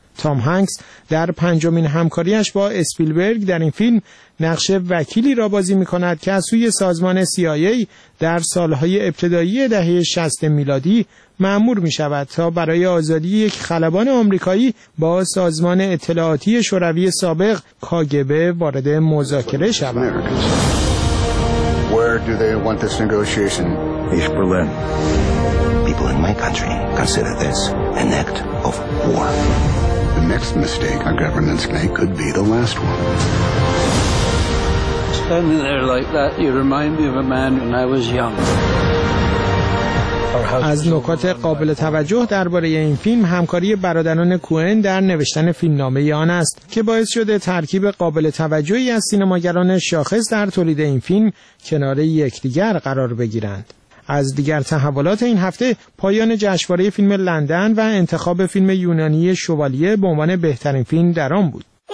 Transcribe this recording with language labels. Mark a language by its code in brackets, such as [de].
[fa] تام هنکس در پنجمین همکاریش با اسپیلبرگ در این فیلم نقش وکیلی را بازی می‌کند که از سوی سازمان CIA در سال‌های ابتدایی دهه 60 میلادی مأمور می‌شود تا برای آزادی یک خلبان آمریکایی با سازمان اطلاعاتی شوروی سابق KGB وارد مذاکره شود. [en] Where do they want this negotiation? East Berlin. People in my country consider this an act of war. The next mistake our governance make could be the last one. Standing there like that, you remind me of a man when I was young. [fa] از نکات قابل توجه درباره این فیلم همکاری برادران کوئن در نوشتن فیلمنامه آن است که باعث شده ترکیب قابل توجهی از سینماگران شاخص در تولید این فیلم کنار یکدیگر قرار بگیرند. از دیگر تحولات این هفته، پایان جشنواره فیلم لندن و انتخاب فیلم یونانی شوالیه به عنوان بهترین فیلم در آن بود.